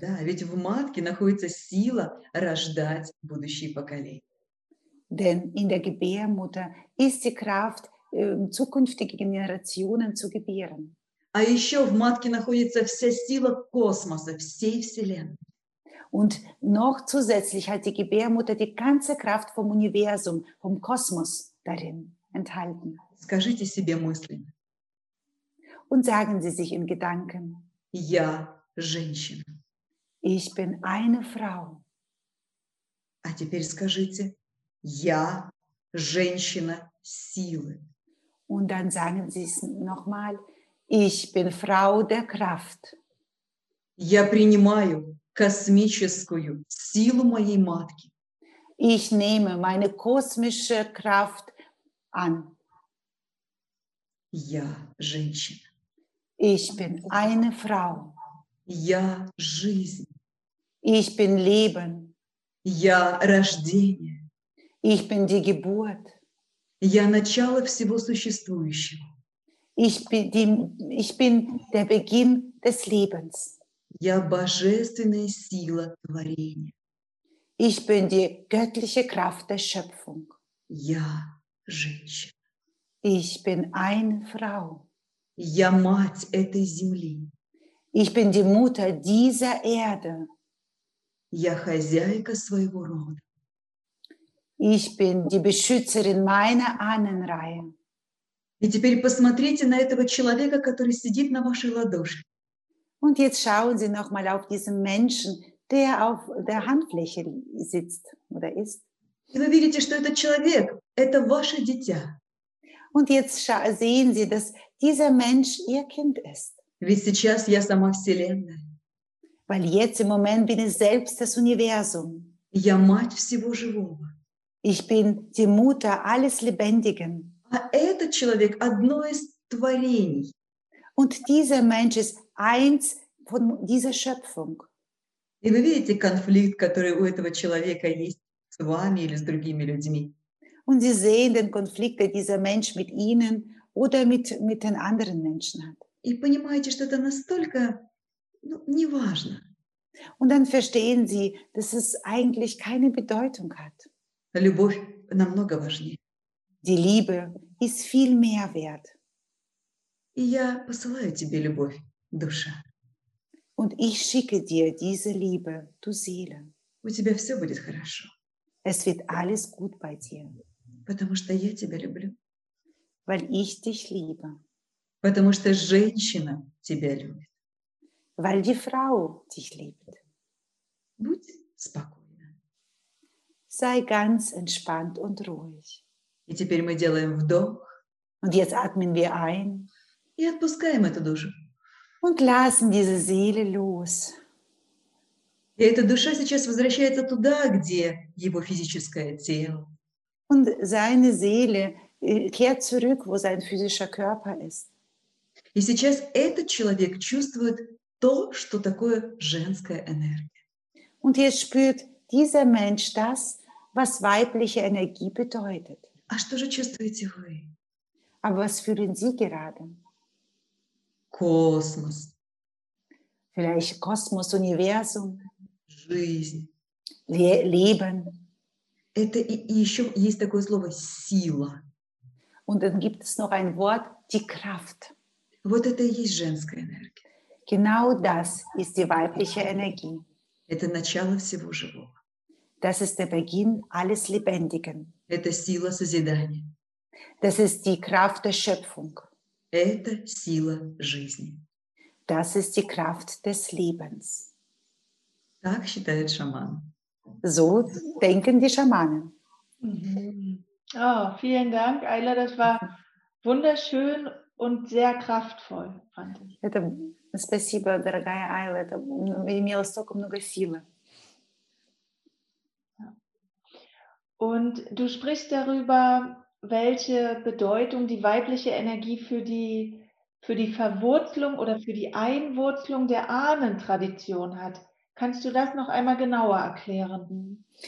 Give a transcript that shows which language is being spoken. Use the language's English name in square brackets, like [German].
[Russian] Да, ведь в матке находится сила рождать будущие поколения. [German] Denn in der Gebärmutter ist die Kraft, zukünftige Generationen zu gebären. [Russian] А еще в матке находится вся сила космоса, всей Вселенной. [German] Und noch zusätzlich hat die Gebärmutter die ganze Kraft vom Universum, vom Kosmos darin enthalten. [Russian] Скажите себе мысленно. [German] Und sagen Sie sich in Gedanken. [Russian] Я женщина. [German] Ich bin eine Frau. [Russian] А теперь скажите, я женщина силы. [German] Und dann sagen Sie es nochmal, ich bin Frau der Kraft. [Russian] Я принимаю космическую силу моей матки. [German] Ich nehme meine kosmische Kraft an. [Russian] Я женщина. [German] Ich bin eine Frau. [Russian] Я жизнь. [German] Ich bin Leben. [Russian] Я рождение. [German] Ich bin die Geburt. [Russian] Я начало всего существующего. [German] Ich bin der Beginn des Lebens. [Russian] Я божественная сила творения. [German] Ich bin die göttliche Kraft der Schöpfung. [Russian] Я женщина. [German] Ich bin eine Frau. [Russian] Я мать этой земли. [German] Ich bin die Mutter dieser Erde. [Russian] Я хозяйка своего рода. [German] Ich bin die Beschützerin meiner Ahnenreihe. [Russian] И теперь посмотрите на этого человека, который сидит на вашей ладошке. [German] Und jetzt schauen Sie noch mal auf diesen Menschen, der auf der Handfläche sitzt oder ist. [Russian] И вы видите, что этот человек – это ваше дитя. [German] Und jetzt sehen Sie, dass dieser Mensch Ihr Kind ist. [Russian] Ведь сейчас я сама Вселенная. [German] Weil jetzt im Moment bin ich selbst das Universum. [Russian] Я мать всего живого. [German] Ich bin die Mutter alles Lebendigen. [Russian] А этот человек – одно из творений. [German] Und dieser Mensch ist eins von dieser Schöpfung. [Russian] И вы видите конфликт, который у этого человека есть с вами или с другими людьми. [German] Und Sie sehen den Konflikt, den dieser Mensch mit Ihnen oder mit den anderen Menschen hat. [Russian] И понимаете, что это настолько, ну, неважно. [German] Und dann verstehen Sie, dass es eigentlich keine Bedeutung hat. [Russian] Любовь намного важнее. [German] Die Liebe ist viel mehr wert. [Russian] И я посылаю тебе любовь, душа. [German] Und ich schicke dir diese Liebe, du Seele. [Russian] У тебя все будет хорошо. [German] Es wird alles gut bei dir. [Russian] Потому что я тебя люблю. [German] Weil ich dich liebe. [Russian] Потому что женщина тебя любит. [German] Weil die Frau dich liebt. [Russian] Будь спокойна. [German] Sei ganz entspannt und ruhig. [Russian] И теперь мы делаем вдох. [German] Und jetzt atmen wir ein. [Russian] И отпускаем эту душу. [German] Und lassen diese Seele los. [Russian] И эта душа сейчас возвращается туда, где его физическое тело. [German] Und seine Seele kehrt zurück, wo sein physischer Körper ist. [Russian] И сейчас этот человек чувствует то, что такое женская энергия. [German] Und jetzt spürt dieser Mensch das, was weibliche Energie bedeutet. [Russian] А что же чувствуете вы? [German] Aber was fühlen Sie gerade? [Russian] Космос. [German] Vielleicht Kosmos, Universum. [Russian] Жизнь. [German] Leben. [Russian] Это и еще есть такое слово «сила». [German] Und dann gibt es noch ein Wort, die Kraft. [Russian] Вот это и есть женская энергия. [German] Genau das ist die weibliche Energie. [Russian] Это начало всего живого. [German] Das ist der Beginn alles Lebendigen. [Russian] Это сила созидания. [German] Das ist die Kraft der Schöpfung. [Russian] Это сила жизни. [German] Das ist die Kraft des Lebens. [Russian] Так считают шаманы. [German] So denken die Schamanen. Oh, vielen Dank, Ayla. Das war wunderschön und sehr kraftvoll, fand ich. [Russian] Это спасибо, дорогая Айла, это имело столько много силы. [German] Und du sprichst darüber, welche Bedeutung die weibliche Energie für die Verwurzelung oder für die Einwurzelung der Ahnentradition hat. Kannst du das noch einmal genauer erklären?